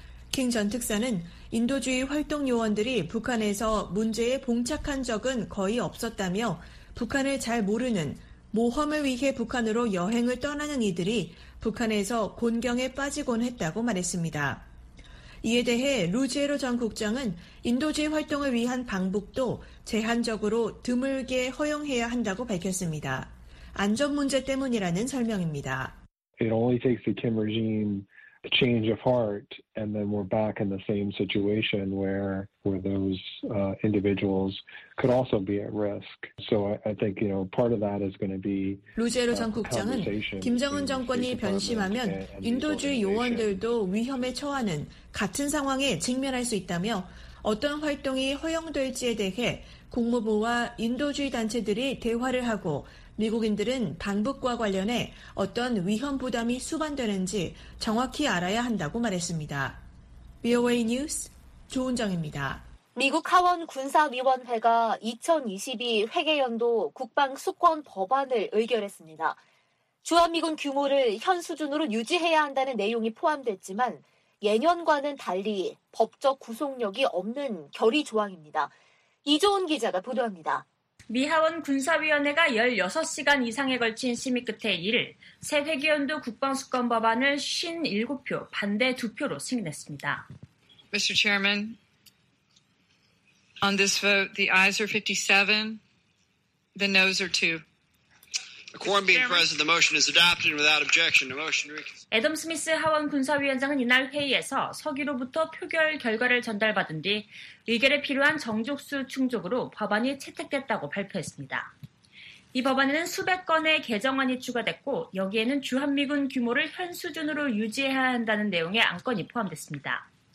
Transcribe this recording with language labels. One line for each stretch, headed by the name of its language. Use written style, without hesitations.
Korean: 킹 전 특사는 인도주의 활동 요원들이 북한에서 문제에 봉착한 적은 거의 없었다며 북한을 잘 모르는 모험을 위해 북한으로 여행을 떠나는 이들이 북한에서 곤경에 빠지곤 했다고 말했습니다. 이에 대해 루지에로 전 국장은 인도주의 활동을 위한 방북도 제한적으로 드물게 허용해야 한다고 밝혔습니다. 안전 문제 때문이라는 설명입니다.
English: It only takes the Kim regime a change of heart and then we're back in the same situation where those individuals could also be at risk. So I think you know part of that is going to be
Korean: 루제로 전 국장은 김정은 정권이 변심하면 인도주의 요원들도 위험에 처하는 같은 상황에 직면할 수 있다며 어떤 활동이 허용될지에 대해 국무부와 인도주의 단체들이 대화를 하고 미국인들은 방북과 관련해 어떤 위험 부담이 수반되는지 정확히 알아야 한다고 말했습니다. VOA 뉴스 조은정입니다. 미국 하원 군사위원회가 2022 회계연도 국방수권 법안을 의결했습니다. 주한미군 규모를 현 수준으로 유지해야 한다는 내용이 포함됐지만 예년과는 달리 법적 구속력이 없는 결의 조항입니다. 이조은 기자가 보도합니다. 미 하원 군사위원회가 16시간 이상에 걸친 심의 끝에 이를 새 회기연도 국방수권 법안을 57표 반대 2표로 승인했습니다.
English: Mr. Chairman, on this vote, the ayes are 57, the noes are 2. A quorum being present, the motion is adopted without objection. The motion reconsidered.
Korean: 애덤 스미스 하원 군사위원장은 이날 회의에서 서기로부터 표결 결과를 전달받은 뒤 의결에 필요한 정족수 충족으로 법안이 채택됐다고 발표했습니다. 이 법안에는 수백 건의 개정안이 추가됐고 여기에는 주한미군 규모를 현 수준으로 유지해야 한다는 내용의 안건이 포함됐습니다.